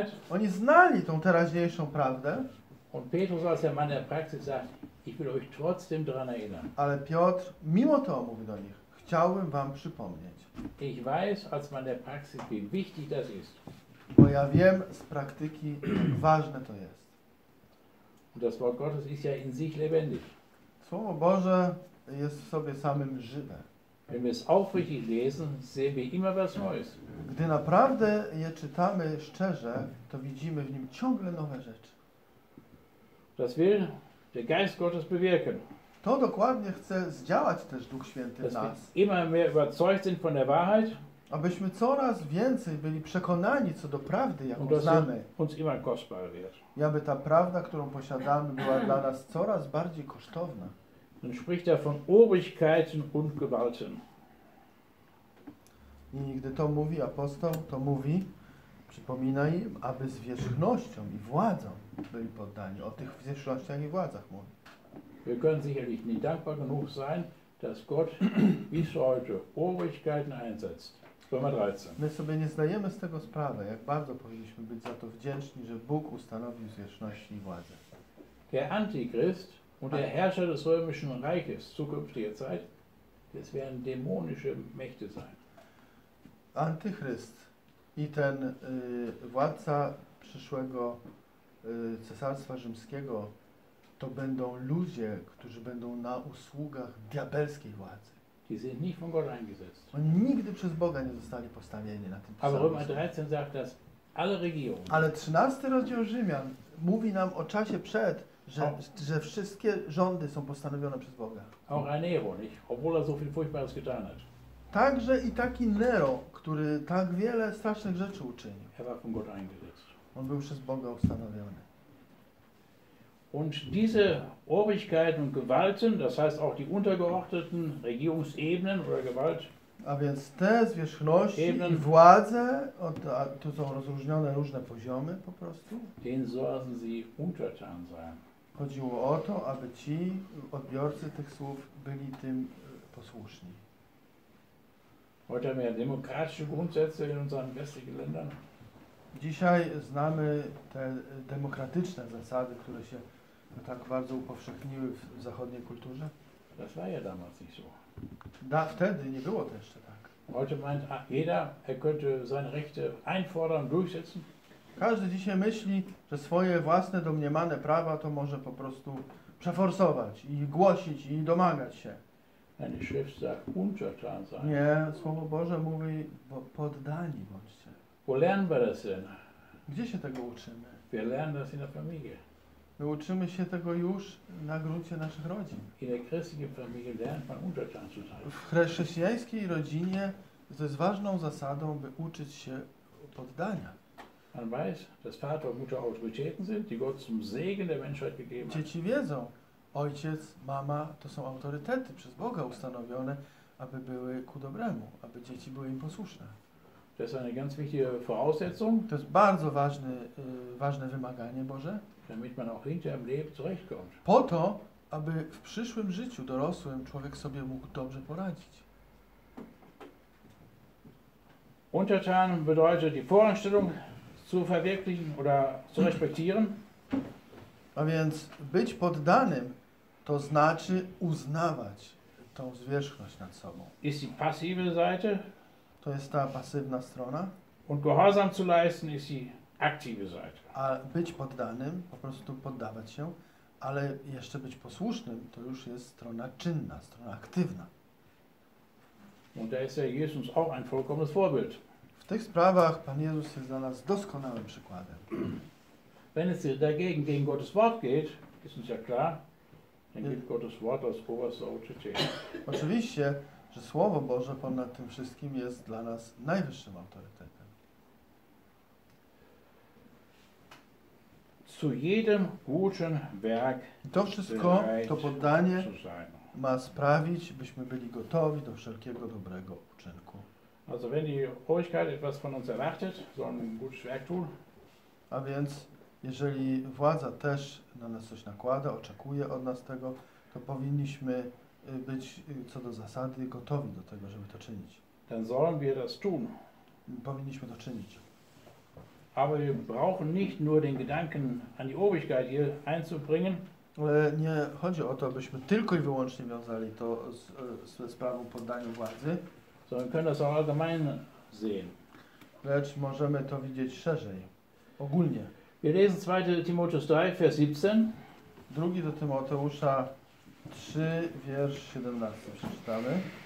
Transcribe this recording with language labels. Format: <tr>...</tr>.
<pl>Oni znali tą teraźniejszą prawdę.</pl> <de>Und Petrus als der Mann der Praxis sagt, ich will euch trotzdem daran erinnern.</de> <pl>Ale Piotr mimo to mówi do nich, chciałbym wam przypomnieć.</pl> <de>Ich weiß, als man der Praxis, wie wichtig das ist.</de> <pl>Bo ja wiem z praktyki, jak ważne to jest.</pl> <de>Das Wort Gottes ist ja in sich lebendig.</de> <pl>Słowo Boże jest w sobie samym żywe.</pl> <de>Wenn wir es aufrichtig lesen, sehen wir immer was Neues.</de> <pl>Gdy naprawdę je czytamy szczerze, to widzimy w nim ciągle nowe rzeczy.</pl> <de>Das will der Geist Gottes bewirken.</de> <pl>To dokładnie chce zdziałać też Duch Święty w nas.</pl> <de>Immer mehr überzeugt sind von der Wahrheit.</de> <pl>Abyśmy coraz więcej byli przekonani co do prawdy, jaką znamy.</pl> <de>Uns immer kostbarer wird.</de> <pl>I aby ta prawda, którą posiadamy, była dla nas coraz bardziej kosztowna.</pl> <de>Man spricht ja von Obrigkeiten und Gewalten.</de> <pl>I gdy to mówi apostoł, to mówi, przypomina im, aby zwierzchnością i władzą byli poddani. O tych zwierzchnościach i władzach mówi.</pl> <de>Wir können sicherlich nie dankbar genug sein, dass Gott bis heute Obrigkeiten einsetzt. Römer 13.</de> <pl>My sobie nie zdajemy z tego sprawy, jak bardzo powinniśmy być za to wdzięczni, że Bóg ustanowił zwierzchności i władzę.</pl> <de>Der Antichrist und der Herrscher des römischen Reiches zukünftiger Zeit, das werden dämonische Mächte sein.</de> <pl>Antychryst i ten władca przyszłego cesarstwa rzymskiego to będą ludzie, którzy będą na usługach diabelskiej władzy.</pl> <de>Die sind nicht von Gott eingesetzt.</de> <pl>Oni nigdy przez Boga nie zostali postawieni na tym samym.</pl> <de>Aber Römer 13 sagt, dass alle Regionen.</de> <pl>Ale 13 rozdział Rzymian mówi nam o czasie przed, że wszystkie rządy są postanowione przez Boga.</pl> <de>Auch ein Nero, nicht? Obwohl er so viel Furchtbares getan hat.</de> <pl>Także i taki Nero, który tak wiele strasznych rzeczy uczynił.</pl> <de>Er war von Gott eingesetzt.</de> <pl>On był przez Boga ustanowiony.</pl> <de>Und diese Obrigkeiten und Gewalten, das heißt auch die untergeordneten Regierungsebenen oder Gewalt.</de> <pl>A więc te zwierzchności i władze, to są rozróżnione różne poziomy po prostu.</pl> <de>Denen sollen sie untertan sein.</de> <pl>Chodziło o to, aby ci odbiorcy tych słów byli tym posłuszni.</pl> <de>Heute haben wir demokratische Grundsätze in unseren westlichen Ländern.</de> <pl>Dzisiaj znamy te demokratyczne zasady, które się tak bardzo upowszechniły w zachodniej kulturze.</pl> <de>Das war ja damals nicht so.</de> <pl>Wtedy nie było to jeszcze tak.</pl> <de>Heute meint jeder, er könnte seine Rechte einfordern, durchsetzen.</de> <pl>Każdy dzisiaj myśli, że swoje własne domniemane prawa to może po prostu przeforsować i głosić i domagać się.</pl> <de>Eine Schrift sagt untertan sein.</de> <pl>Nie, Słowo Boże mówi, bo poddani bądźcie.</pl> <de>Wo lernen wir das denn?</de> <pl>Gdzie się tego uczymy?</pl> <de>Wir lernen das in der Familie.</de> <pl>My uczymy się tego już na gruncie naszych rodzin.</pl> <de>In der christlichen Familie lernt man untertan zu sein.</de> <pl>W chrześcijańskiej rodzinie to jest ważną zasadą, by uczyć się poddania.</pl> <de>Man weiß, dass Vater und Mutter Autoritäten sind, die Gott zum Segen der Menschheit gegeben hat.</de> <pl>Dzieci wiedzą, ojciec, mama to są autorytety przez Boga ustanowione, aby były ku dobremu, aby dzieci były im posłuszne. To jest</pl> <de>eine ganz wichtige Voraussetzung.</de> <pl>To jest bardzo ważne, ważne wymaganie Boże.</pl> <de>Damit man auch hinterher im Leben zurechtkommt.</de> <pl>Po to, aby w przyszłym życiu dorosłym człowiek sobie mógł dobrze poradzić.</pl> <de>Untertan bedeutet die Voranstellung zu verwirklichen oder zu respektieren.</de> <pl>A więc być poddanym to znaczy uznawać tą zwierzchność nad sobą.</pl> <de>Ist die passive Seite.</de> <pl>To jest ta pasywna strona.</pl> <de>Und gehorsam zu leisten ist die aktive Seite.</de> <pl>A być poddanym, po prostu poddawać się, ale jeszcze być posłusznym, to już jest strona czynna, strona aktywna.</pl> <de>Und da ist ja Jesus auch ein vollkommenes Vorbild.</de> <pl>W tych sprawach Pan Jezus jest dla nas doskonałym przykładem.</pl> <de>Wenn es dagegen gegen Gottes Wort geht, ist uns ja klar, dann gilt Gottes Wort als oberste Autorität.</de> <pl>Oczywiście, że Słowo Boże ponad tym wszystkim jest dla nas najwyższym autorytetem.</pl> <de>Zu jedem guten Werk</de> <pl>to wszystko, to poddanie ma sprawić, byśmy byli gotowi do wszelkiego dobrego uczynku.</pl> <de>Also wenn die Obrigkeit etwas von uns erwartet, sollen wir ein gutes Werk tun.</de> <pl>A więc jeżeli władza też na nas coś nakłada, oczekuje od nas tego, to powinniśmy być co do zasady gotowi do tego, żeby to czynić.</pl> <de>Dann sollen wir das tun.</de> <pl>Powinniśmy to czynić.</pl> <de>Aber wir brauchen nicht nur den Gedanken an die Obrigkeit hier einzubringen.</de> <pl>Nie chodzi o to, abyśmy tylko i wyłącznie wiązali to z sprawą poddania władzy.</pl> <de>Sondern wir können das auch allgemein sehen.</de> <pl>Lecz możemy to widzieć szerzej, ogólnie.</pl> <de>Wir lesen 2. Timotheus 3, Vers 17.</de> <pl>2. do Tymoteusza 3, wiersz 17 przeczytamy.</pl>